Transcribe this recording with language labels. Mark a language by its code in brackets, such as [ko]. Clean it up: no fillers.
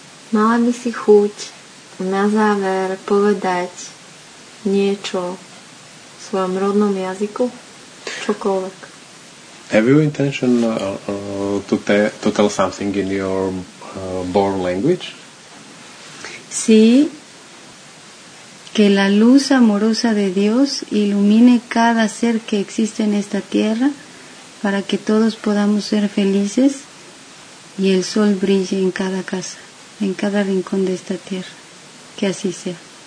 [sk] Mala by si chuť na záver povedať niečo v svojom rodnom jazyku? Čokoľvek. [en] Have you intention to tell something in your born language? [es] Sí. Que la luz amorosa de Dios ilumine cada ser que existe en esta tierra para que todos podamos ser felices y el sol brille en cada casa, en cada rincón de esta tierra. Que así sea.